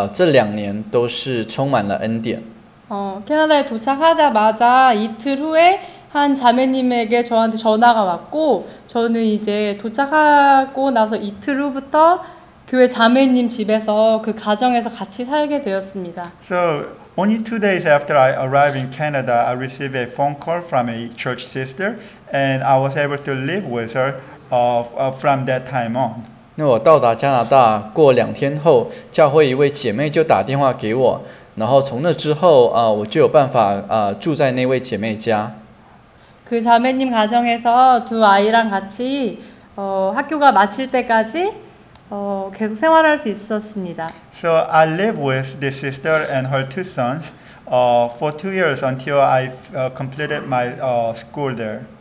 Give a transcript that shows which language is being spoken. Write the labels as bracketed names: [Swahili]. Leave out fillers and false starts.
[Chinese] 所以2年前我就搬去加拿大去读书，然后这2年都是充满了恩典。 [Korean] 캐나다에 도착하자마자 이틀 후에 한 자매님에게 저한테 전화가 왔고 저는 이제 도착하고 나서 이틀 후부터 교회 자매님 집에서 그 가정에서 같이 살게 되었습니다. [English] So only 2 days after I arrived in Canada, I received a phone call from a church sister, and I was able to live with her from that time on. [Chinese] 那我到达加拿大过2天后，教会一位姐妹就打电话给我。然后从那之后，我就有办法住在那位姐妹家。그 [Korean] 자매님 가정에서 두 아이랑 같이 학교가 마칠 때까지 계속 생활할 수 있었습니다. [English] So I live with the sister and her two sons for 2 years until I completed my school there.